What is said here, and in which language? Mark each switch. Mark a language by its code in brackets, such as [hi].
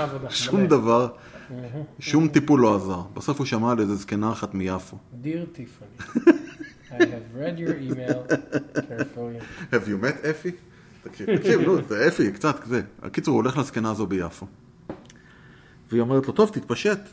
[he] שום דבר, שום טיפול לא עזר. בסוף הוא שמע על איזה זקנה אחת מיפו. [en] Dear Tiffany, I have read your email carefully. Have you met אפי? [he] תקשיב, לא, זה אפי, קצת כזה. הקיצור, הוא הולך לזקנה הזו ביפו. והיא אומרת לו, טוב, תתפשט.